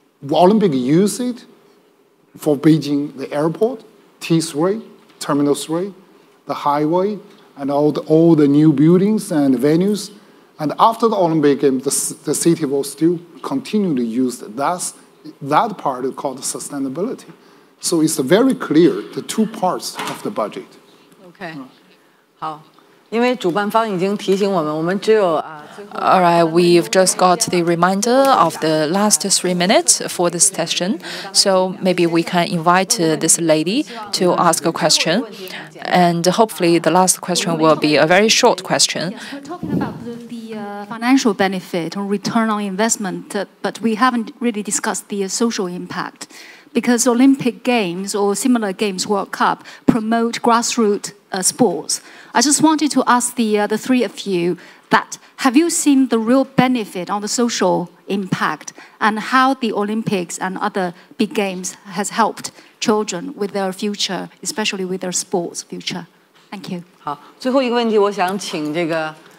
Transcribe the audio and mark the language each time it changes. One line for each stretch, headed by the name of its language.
English: Olympic use it for Beijing, the airport, T3, Terminal 3, the highway, and all the new buildings and venues. And after the Olympic Games, the city will still continue to use it. That's, that part is called sustainability. So it's very clear, the two parts of the budget. Okay. How?
Chinese: 因为主办方已经提醒我们，我们只有
English: All right, we've just got the reminder of the last 3 minutes for this session. So maybe we can invite this lady to ask a question. And hopefully the last question will be a very short question. Financial benefit or return on investment, but we haven't really discussed the social impact. Because Olympic Games or similar games, World Cup, promote grassroots sports. I just wanted to ask the three of you that have you seen the real benefit on the social impact and how the Olympics and other big games has helped children with their future, especially with their sports future? Thank you.
Chinese: 好，最后一个问题，我想请这个。